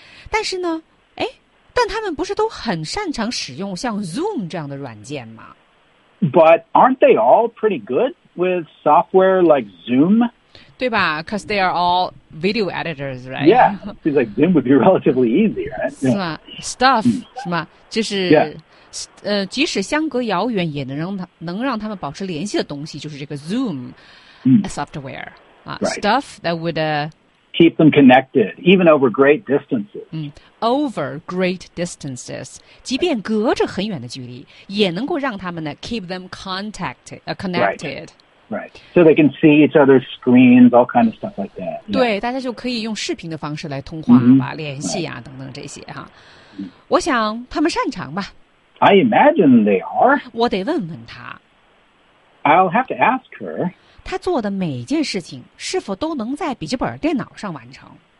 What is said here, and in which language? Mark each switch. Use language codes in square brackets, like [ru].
[zh] 但是呢但他们不是都很擅长使用像 Zoom 这样的软件吗 [en] ？But aren't they all pretty good with software like Zoom? [zh] 对吧 [en] ？Because they are all video editors, right? Yeah, seems like Zoom would be relatively easy, right? [zh] 是吗 ？Stuff 是吗？就是、 yeah. 即使相隔遥远，也能让他们保持联系的东西，就是这个 Zoom、software、 right. [en] stuff that would、 Keep them connected, even over great distances.、 over great distances, [zh] 即便隔着很远的距离，也能够让他们呢 [en] keep them contacted, connected. Right. Right. So they can see each other's screens, all kind of stuff like that.、Yeah. [zh] 对，大家就可以用视频的方式来通话吧、 mm-hmm. 联系啊、 right. 等等这些哈。我想他们擅长吧。 [en] I imagine they are. [zh] 我得问问他。 [en] I'll have to ask her. [zh] 他做的每件事情是否都能在笔记本电脑上完成